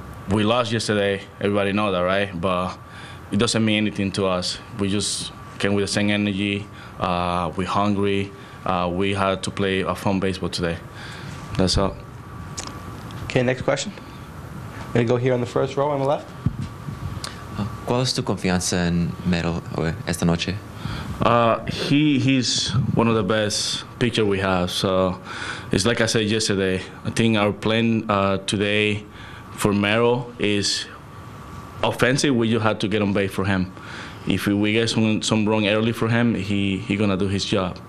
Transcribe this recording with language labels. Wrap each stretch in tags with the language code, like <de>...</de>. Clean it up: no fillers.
<en>We lost yesterday. Everybody know that, right? But it doesn't mean anything to us. We just came with the same energy. We're hungry. We had to play a fun baseball today. That's all. Okay, next question. I'm going to go here on the first row on the left.</en> <es>¿Cuál es tu confianza en Mero esta noche?</es> <en>He's one of the best pitchers we have. So it's like I said yesterday. I think our plan today for Mero is offensive. We just have to get on base for him. If we get some wrong early for him, he's going to do his job.</en>